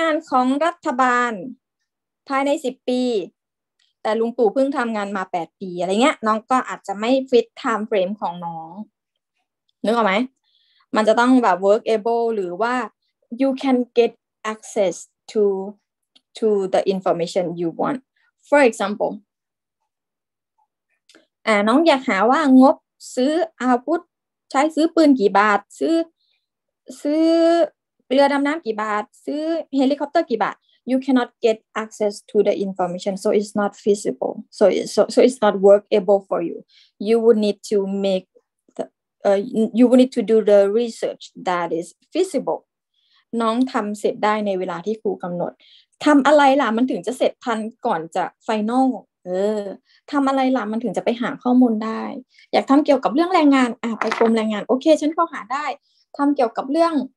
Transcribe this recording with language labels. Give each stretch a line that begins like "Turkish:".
Thai: ของรัฐบาลภายใน10ปีแต่ลุงตู่เพิ่งทำงานมา8ปีอะไรเงี้ยน้องก็อาจจะไม่ fit time frame ของน้องนึกออกไหมมันจะต้องแบบ workable หรือว่า
English: you can get access to the information you want for example
Thai: น้องอยากหาว่างบซื้ออาวุธใช้ซื้อปืนกี่บาทซื้อเรือดำน้ำกี่บาทซื้อเฮลิคอปเตอร์กี่บาท
English: you cannot get access to the information, so it's not feasible. So it's not workable for you. You would need to make the, you would need to do the research that is feasible.
Thai: น้องทำเสร็จได้ในเวลาที่ครูกำหนดทำอะไรล่ะมันถึงจะเสร็จทันก่อนจะไฟนอลเออทำอะไรล่ะมันถึงจะไปหาข้อมูลได้อยากทำเกี่ยวกับเรื่องแรงงานอ่ะไปกรมแรงงานโอเคฉันพอหาได้ทำเกี่ยวกับเรื่อง